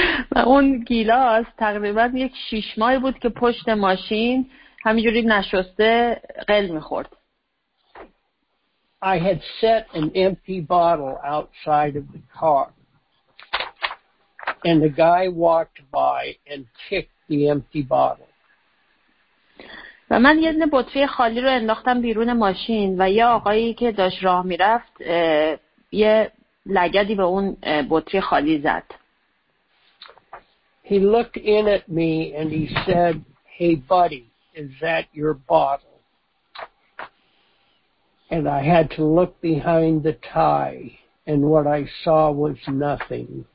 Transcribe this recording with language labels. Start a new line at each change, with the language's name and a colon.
Persian: و اون گیلاس تقریبا یک 6 ماه بود که پشت ماشین همینجوری نشسته قل می‌خورد.
English: I had set an empty bottle outside of the car. And the guy walked by and kicked the empty bottle.
Persian: و من یه دونه بطری خالی رو انداختم بیرون ماشین و یه آقایی که داشت راه می‌رفت یه لگدی به اون بطری خالی زد.
English: He looked in at me and he said, "Hey buddy, is that your bottle?" And I had to look behind the tie and what I saw was nothing.